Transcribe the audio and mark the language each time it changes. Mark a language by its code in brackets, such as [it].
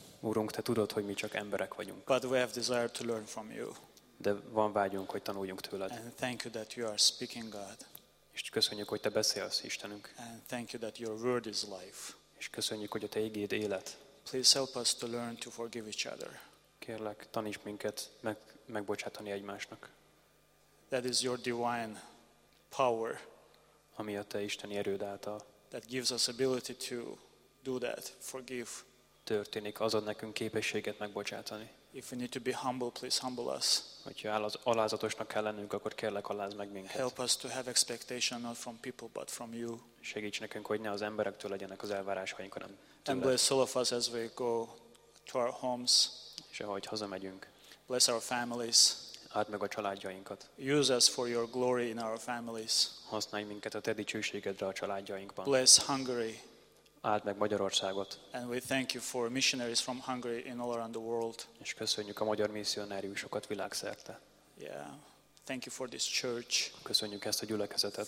[hu] Urunk, te tudod, hogy mi csak emberek vagyunk. [en] But we have desire to learn from you. [hu] De van vágyunk, hogy tanuljunk tőled. [en] And thank you that you are speaking God. [hu] És köszönjük, hogy te beszélsz, Istenünk. [en] And thank you that your word is life. [hu] És köszönjük, hogy a te ígéd élet. [en] Please help us to learn to forgive each other. [hu] Kérlek, taníts minket megbocsátani egymásnak. [en] That is your divine power. [hu] Ami a te isteni erőd által. [en] That gives us ability to do that, forgive. [hu] Történik, az ad nekünk képességet megbocsátani. [en] If we need to be humble, please humble us. [hu] Hogyha alázatosnak kell lennünk, akkor kérlek, alázd meg minket. [en] Help us to have expectation not from people, but from you. [hu] Segíts nekünk, hogy ne az emberektől legyenek az elvárásaink, hanem tőled. [en] And bless all of us as we go to our homes. [hu] És ahogy hazamegyünk. [en] Bless our families. [hu] Áld meg a családjainkat. [en] Use us for your glory in our families. [hu] Használj minket a te dicsőségedre a családjainkban. [en] Bless Hungary. [hu] Áld meg Magyarországot. [en] And we thank you for missionaries from Hungary and all around the world. [hu] És köszönjük a magyar misszionáriusokat világszerte. [en] Yeah. Thank you for this church. [hu] Köszönjük ezt a gyülekezetet.